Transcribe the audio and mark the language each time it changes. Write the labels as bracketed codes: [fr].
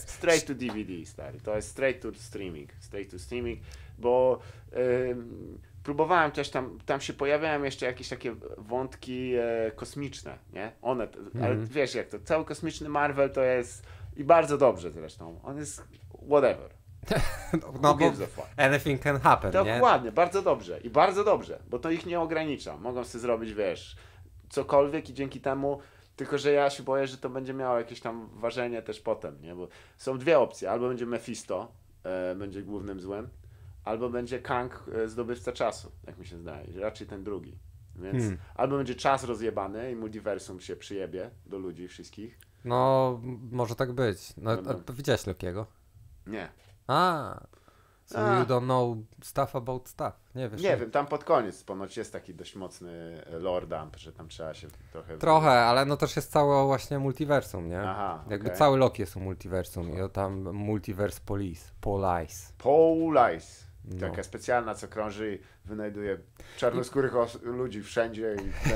[en] Straight to DVD, [pl] stary. To jest [en] straight to streaming. Straight to streaming, [pl] bo... próbowałem też tam się pojawiają jeszcze jakieś takie wątki kosmiczne, nie? One, ale wiesz jak to, cały kosmiczny Marvel to jest i bardzo dobrze zresztą, on jest whatever. No bo [en] anything can happen, [pl] to nie? Dokładnie, bardzo dobrze i bardzo dobrze, bo to ich nie ogranicza, mogą sobie zrobić, wiesz, cokolwiek i dzięki temu, tylko że ja się boję, że to będzie miało jakieś tam ważenie też potem, nie? Bo są dwie opcje, albo będzie Mephisto, będzie głównym złem, albo będzie Kang zdobywca czasu, jak mi się zdaje, raczej ten drugi. Więc albo będzie czas rozjebany i multiversum się przyjebie do ludzi wszystkich. No, może tak być. No, no. Widziałeś Lokiego? Nie. [en] A, so you don't know stuff about stuff. [pl] Nie, wiesz, nie wiem, tam pod koniec ponoć jest taki dość mocny lore dump, że tam trzeba się trochę... Trochę, ale no też jest całe właśnie multiversum, nie? Aha, jakby okay. Cały Loki jest u multiversum i tam [en] multiverse police, police. Police. [pl] No. Taka specjalna, co krąży i wynajduje czarnoskórych ludzi wszędzie i